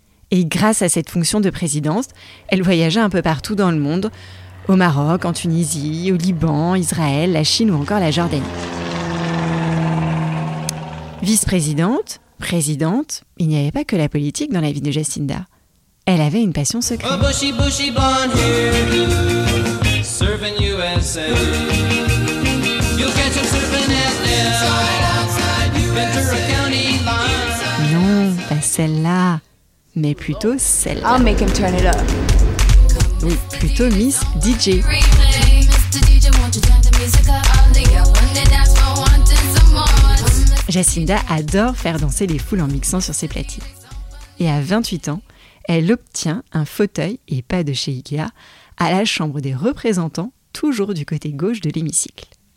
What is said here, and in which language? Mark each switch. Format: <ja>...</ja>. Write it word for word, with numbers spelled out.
<fr>Et grâce à cette fonction de présidence, elle voyagea un peu partout dans le monde, au Maroc, en Tunisie, au Liban, Israël, la Chine ou encore la Jordanie. Vice-présidente, présidente, il n'y avait pas que la politique dans la vie de Jacinda. Elle avait une passion secrète.</fr> <en>Oh, bushy, bushy blonde hair, serving U S A. You'll catch him serving at L. Ventura County line.</en> <fr>Non, pas celle-là, mais plutôt celle-là.</fr> <en>I'll make him turn it up.</en> <fr>Oui, plutôt Miss D J. Jacinda adore faire danser les foules en mixant sur ses platines. Et à vingt-huit ans, elle obtient un fauteuil, et pas de chez Ikea, à la Chambre des représentants, toujours du côté gauche de l'hémicycle.</fr>